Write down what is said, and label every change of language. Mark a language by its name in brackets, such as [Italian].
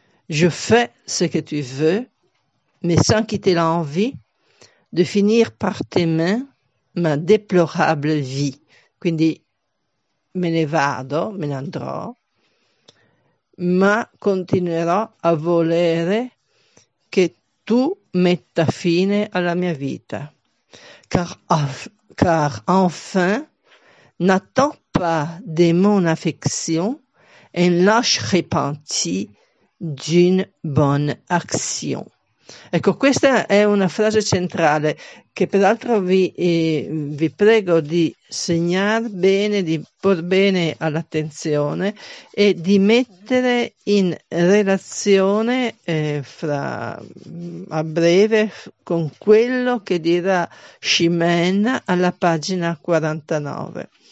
[French] Je fais ce que tu veux, mais sans quitter l'envie de finir par tes mains. Ma déplorable vie, [Italian] quindi me ne vado, me ne andrò, ma continuerò a volere che tu metta fine alla mia vita. [French] Car enfin, n'attends pas de mon affection un lâche repenti d'une bonne action. [Italian] Ecco, questa è una frase centrale che peraltro vi prego di segnare bene, di porre bene all'attenzione e di mettere in relazione a breve con quello che dirà Chimène alla pagina 49.